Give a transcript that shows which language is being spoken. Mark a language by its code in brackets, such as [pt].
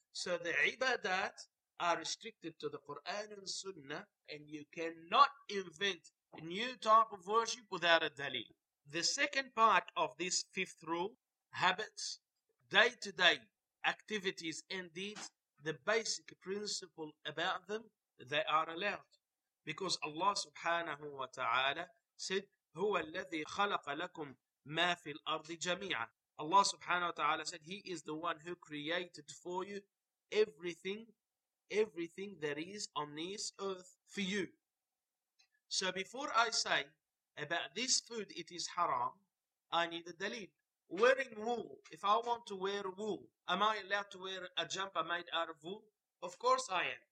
[en] So the ibadat are restricted to the Quran and Sunnah, and you cannot invent a new type of worship without a dalil. The second part of this fifth rule, habits, day-to-day activities and deeds, the basic principle about them, they are allowed. Because Allah subhanahu wa ta'ala said, [ar] هُوَ الَّذِي خَلَقَ لَكُمْ مَا فِي الْأَرْضِ جَمِيعًا. [en] Allah subhanahu wa ta'ala said, He is the one who created for you everything that is on this earth for you. So before I say about this food, it is haram, I need a dalil. Wearing wool, if I want to wear wool, am I allowed to wear a jumper made out of wool? Of course I am.